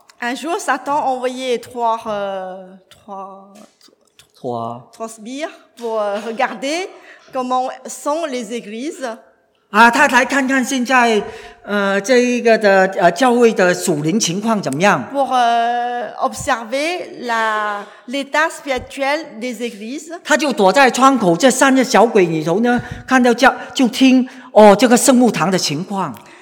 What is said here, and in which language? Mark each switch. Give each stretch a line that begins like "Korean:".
French: Un jour, Satan envoyait trois sbires pour regarder comment sont les églises.
Chinese: 啊，他来看看现在这一个的教会的属灵情况怎么样
French: ？Pour observer l'état spirituel des églises，
Chinese: 他就躲在窗口这三个小鬼里头呢，看到教就听哦这个圣母堂的情况。